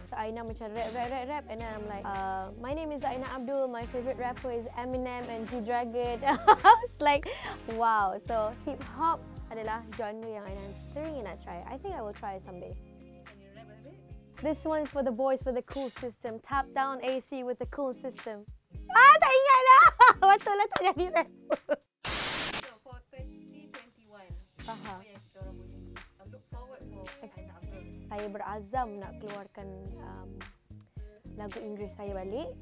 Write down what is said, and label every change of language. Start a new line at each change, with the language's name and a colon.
English: So Aina macam rap, and then I'm like, my name is Aina Abdul, my favorite rapper is Eminem and G-Dragon. It's like, wow.
Malay: So hip hop adalah genre yang Aina teringin nak try.
English: I think I will try someday. This one's for the boys with the cool system. Tap down AC with the cool system.
Malay: Tak ingat dah. Betul lah, tak jadi rap.
English: So, for 2021, uh-huh. Look forward for
Malay: Saya berazam nak keluarkan lagu Inggeris saya balik.